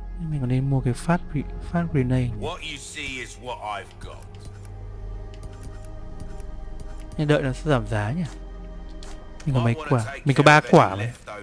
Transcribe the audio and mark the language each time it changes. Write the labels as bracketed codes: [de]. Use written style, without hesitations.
[vi] Mình còn nên mua cái phát grenade. [en] What you see is what I've got. [vi] Nên đợi nó sẽ giảm giá nhỉ? Mình có mấy quả? Mình có 3 quả mày.